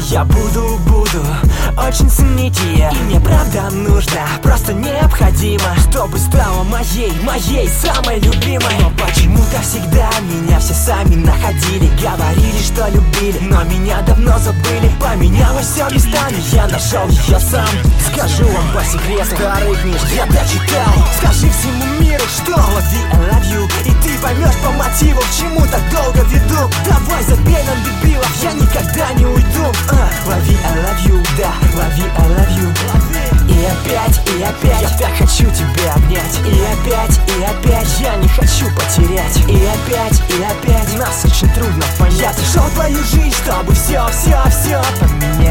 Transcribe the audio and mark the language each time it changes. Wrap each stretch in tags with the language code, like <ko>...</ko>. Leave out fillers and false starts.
<ru>Я буду очень ценить ее. И мне правда нужно, просто необходимо, чтобы стала моей, моей самой любимой. Но почему-то всегда меня все сами находили. Говорили, что любили, но меня давно забыли. Поменялось все местами, я нашел ее сам. Скажу вам по секрету, старый книж я дочитал. Скажи всему миру, что</ru> <en>love you, I love you.</en> <ru>И ты поймешь по мотиву, к чему так долго веду. Давай забей на дебилов, я никогда не уйду.</ru> <en>Love you, I love you,</en> <ru>да,</ru> <en>love you, I love you.</en> <ru>И опять, я так хочу тебя обнять. И опять, я не хочу потерять. И опять, нас очень трудно понять. Я зашел в твою жизнь, чтобы все, все, все поменять.</ru>